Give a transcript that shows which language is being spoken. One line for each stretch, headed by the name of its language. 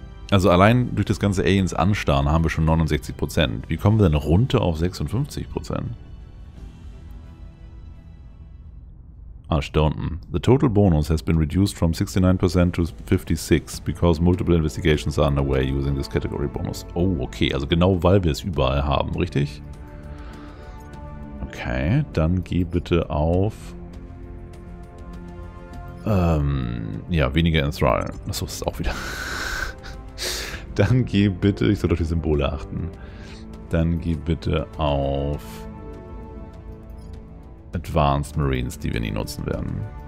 German: Also allein durch das ganze Aliens anstarren haben wir schon 69%. Wie kommen wir denn runter auf 56%? Stunden.
English: The total bonus has been reduced from 69% to 56% because multiple investigations are underway using this category bonus. Oh, okay.
German: Also genau, weil wir es überall haben, richtig? Okay, dann geh bitte auf weniger Enthral. Achso, das ist auch wieder. Dann geh bitte, ich soll auf die Symbole achten. Dann geh bitte auf Advanced Marines, die wir nie nutzen werden.